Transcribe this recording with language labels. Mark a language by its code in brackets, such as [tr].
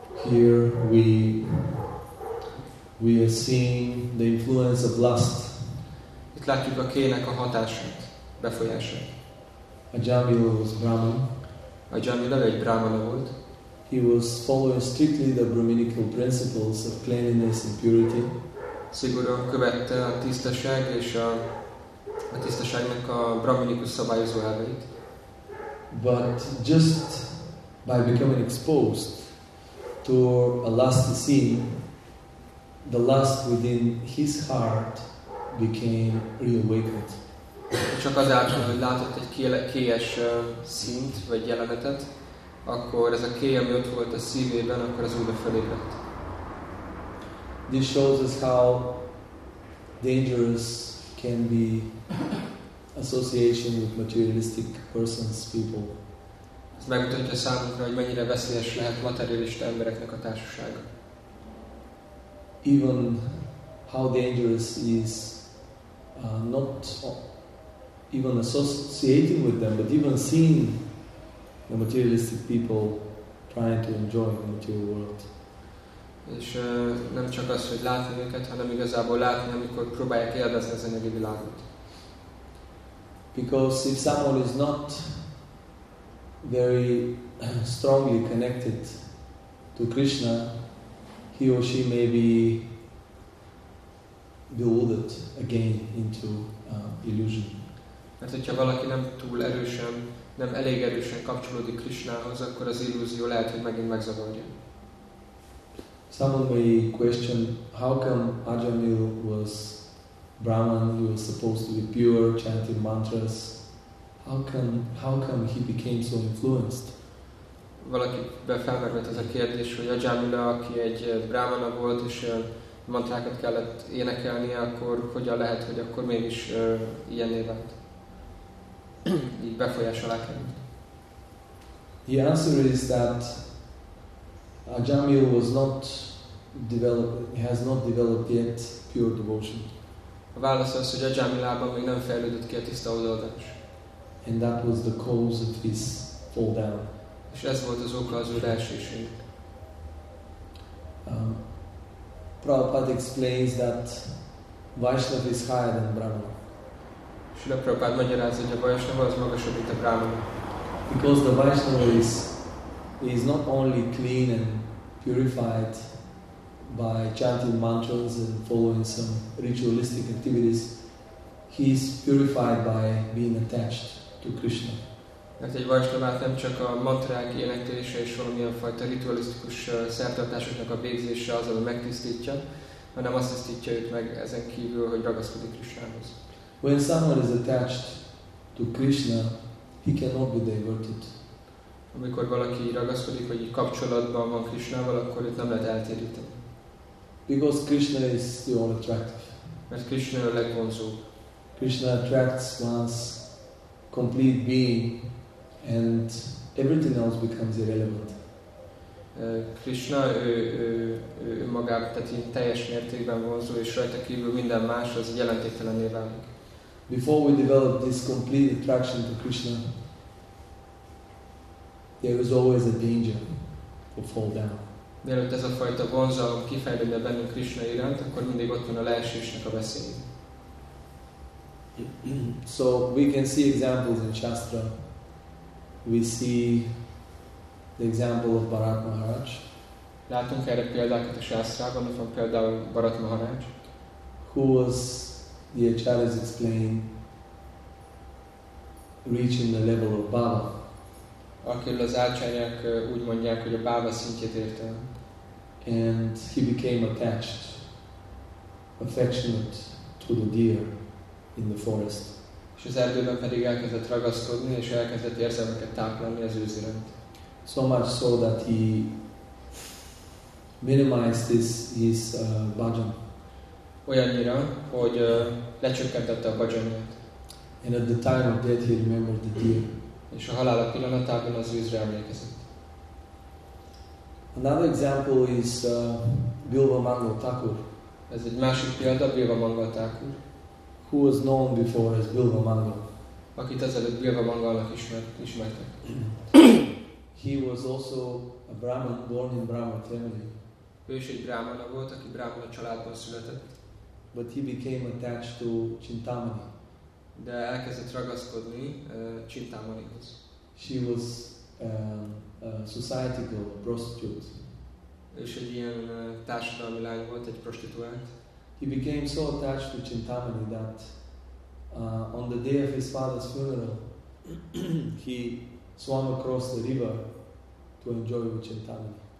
[en] Here we are seeing the influence of lust. [hu] Itt látjuk a kének a hatását, befolyását. [en] Ajamila was Brahman. [hu] Ajamila egy brahmana volt. [en] He was following strictly the brahminical principles of cleanliness and purity. [hu] Szigorúan követte a tisztaság és a tisztaságnak a brahminikus szabályozó elveit. [en] But just by becoming exposed to a lusty sin, the lust within his heart became reawakened. [hu] Csak azáltal, hogy látott egy kélyes színt vagy jelenetet, akkor ez a kéj, ami ott volt a szívében, akkor az újra felébredt. [en] This shows us how dangerous can be association with materialistic persons, people. [hu] Ez megmutatja számunkra, hogy mennyire veszélyes lehet materialista embereknek a társasága. [en] Even how dangerous is not even associating with them, but even seeing the materialistic people trying to enjoy the material world. [hu] És nem csak az, hogy látni őket, hanem igazából látni, amikor próbálják élvezni az anyagi világot. [en] Because if someone is not very strongly connected to Krishna, he or she may be bewildered again into illusion. [hu] Mert hogyha valaki nem túl erősen, nem elég erősen kapcsolódik Krishnához, akkor az illúzió lehet, hogy megint megzavarja. [en] Someone may question, how come Ajamil was Brahman, he was supposed to be pure, chanting mantras. How come he became so influenced? [hu] Valaki felmerült ez a kérdés, hogy Ajamila, aki egy Brahmana volt, és mantrákat kellett énekelnie, akkor hogyan lehet, hogy akkor mégis ilyen évet így befolyás alá került? [en] The answer is that Ajamil was not developed, has not developed yet pure devotion. [hu] A válasz az, hogy Ajamilában még nem fejlődött ki a tiszta odaadás. [en] And that was the cause of his fall down. [hu] És ez volt az oka az ő leesésének. [en] Prabhupada explains that Vaishnava is higher than Brahman. [hu] Srila Prabhupada magyarázza, hogy a Vaishnava az magasabb, mint a Brahmana. [en] Because the Vaishnava is not only clean and purified by chanting mantras and following some ritualistic activities, he is purified by being attached to Krishna. [hu] Mert egy Vaishnavát nem csak a mantrák éneklése és valamilyen fajta ritualisztikus szertartásoknak a végzése az, ami megtisztítja, hanem azt tisztítja őt meg ezen kívül, hogy ragaszkodik Krishnához. [en] When someone is attached to Krishna, he cannot be diverted. [hu] Amikor valaki ragaszkodik, vagy kapcsolatban van Krishnával, akkor őt nem lehet eltéríteni. [en] Because Krishna is the all attractive. [hu] Mert Krishna a legvonzóbb. [en] Krishna attracts one's complete being, and everything else becomes irrelevant. [hu] Krishna ő magát, tehát így teljes mértékben vonzó, és rajta kívül minden más az jelentéktelenné válik. [en] Before we develop this complete attraction to Krishna, there is always a danger to fall down. [hu] Mielőtt ez a fajta vonzalom kifejlődne bennünk Krishna iránt, akkor mindig ott van a leesésnek a veszély. [en] So we can see examples in Shastra. We see the example of Bharat Maharaj. [hu] Látunk erre példákat a Shastrában, van például Bharat Maharaj. [en] Who was, the Acharyas explain, reaching the level of Bhava. [hu] Akiről az Acharyák úgy mondják, hogy a Bhava szintjét érte. [en] And he became attached, affectionate to the deer in the forest. [hu] És az erdőben pedig elkezdett ragaszkodni, és elkezdett érzelmeket táplálni az őz iránt. [en] So much so that he minimized his bhajan. [hu] Olyannyira, hogy lecsökkentette a bhajanját. [en] And at the time of death he remembered the deer. [hu] És a halála pillanatában az őzre emlékezett. [en] Another example is Bilva Mangal Thakur. [hu] Ez egy másik példa, Bilva Mangal Thakur. [en] Who was known before as Bilva Mangal. [hu] Akit ezelőtt Bilva Mangalnak ismertek. [en] He was also a Brahman, born in Brahman family. [hu] Ő is egy Brahmana volt, aki Brahmana családban született. [en] But he became attached to Chintamani. [hu] De elkezdett ragaszkodni Chintamanihoz. [en] She was a society girl, a prostitute. [hu] És egy ilyen társadalmi lány volt, egy prostituált. [en] He became so attached to Chintamani that on the day of his father's funeral he swam across the river to enjoy with Chintamani.